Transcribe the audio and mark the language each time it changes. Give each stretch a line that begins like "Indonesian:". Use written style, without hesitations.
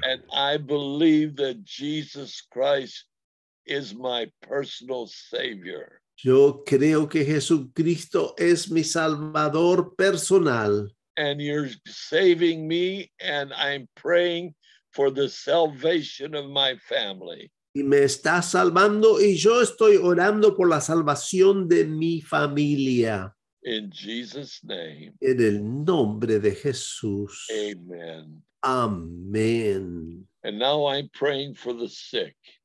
English: And I believe that Jesus Christ is my personal Savior.
Spanish: Yo creo que Jesucristo es mi Salvador personal.
English: And you're saving me, and I'm praying for the salvation of my family.
Spanish: Y me está salvando y yo estoy orando por la salvación de mi familia.
English: In Jesus' name.
Spanish: En el nombre de Jesús.
English: Amen.
Spanish: Amen.
English: And now I'm praying for the sick.